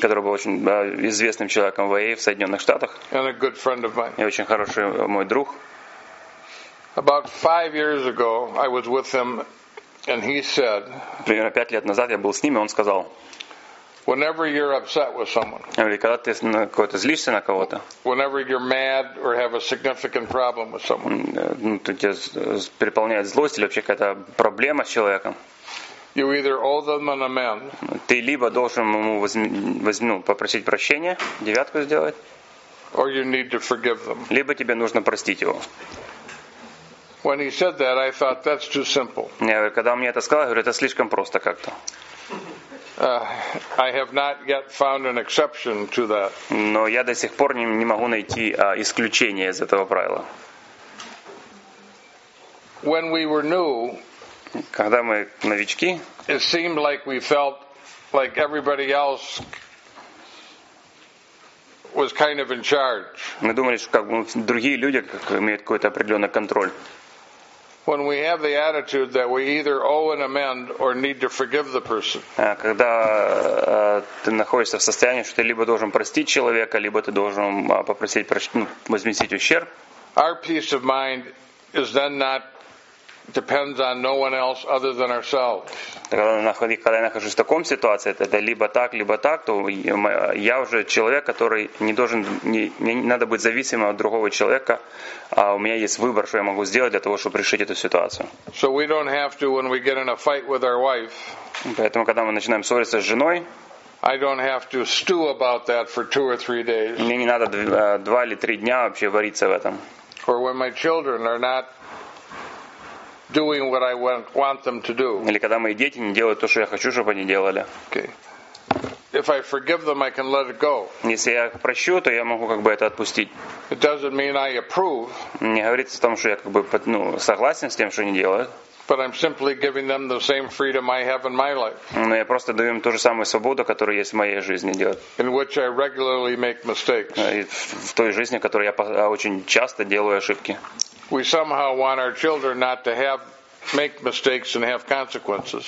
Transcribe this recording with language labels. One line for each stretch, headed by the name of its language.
Russian: Который был очень известным человеком в AA в Соединенных Штатах.
English: And a good friend of mine.
Russian: И очень хороший мой друг.
English: About 5 years ago, I was with him, and he said.
Russian: Примерно 5 лет назад я был с ним, и он сказал.
English: Whenever you're upset with someone.
Russian: Или когда ты на кого-то злишься на кого-то.
English: Whenever you're mad or have a significant problem with someone.
Russian: Ну, тебя переполняет злость или вообще какая-то проблема с человеком.
English: You either owe them an amend.
Russian: Ты либо должен ему попросить прощения, девятку сделать.
English: Or you need to forgive them.
Russian: Либо тебе нужно простить его.
English: When he said that, I thought that's too simple.
Russian: Когда он мне это сказал, я говорю, это слишком просто как-то.
English: I have not yet found an exception to that.
Russian: Но я до сих пор не могу найти исключение из этого правила.
English: when we were new,
Russian: когда мы новички,
English: it seemed like we felt like everybody else was kind of in charge.
Russian: Мы думали, что как бы другие люди как имеют какой-то определенный контроль.
English: When we have the attitude that we either owe an amend or need to forgive the person.
Russian: Когда ты находишься в состоянии, что ты либо должен простить человека, либо ты должен попросить возместить ущерб.
English: Our peace of mind is then not depends on no one else other than ourselves.
Russian: Когда я нахожусь в таком ситуации, это либо так, то я уже человек, который не должен, мне не надо быть зависимым от другого человека, а у меня есть выбор, что я могу сделать для того, чтобы решить эту ситуацию.
English: So we don't have to when we get in a fight with our wife.
Russian: Поэтому, когда мы начинаем ссориться с женой,
English: I don't have to stew about that for two or three days.
Russian: Мне не надо два или три дня вообще вариться в этом.
English: Or when my children are not doing what I want them to do.
Russian: Или когда мои дети не делают то, что я хочу, чтобы они делали.
English: Okay. If I forgive them, I can let it go.
Russian: Если я прощу, то я могу как бы это отпустить.
English: It doesn't mean I approve.
Russian: Не говорится о том, что я как бы согласен с тем, что они делают.
English: But I'm simply giving them the same freedom I have in my life.
Russian: Но я просто даю им ту же самую свободу, которая есть в моей жизни делать.
English: In which I regularly make mistakes.
Russian: В той жизни, в которой я очень часто делаю ошибки.
English: We somehow want our children not to have make mistakes and have consequences.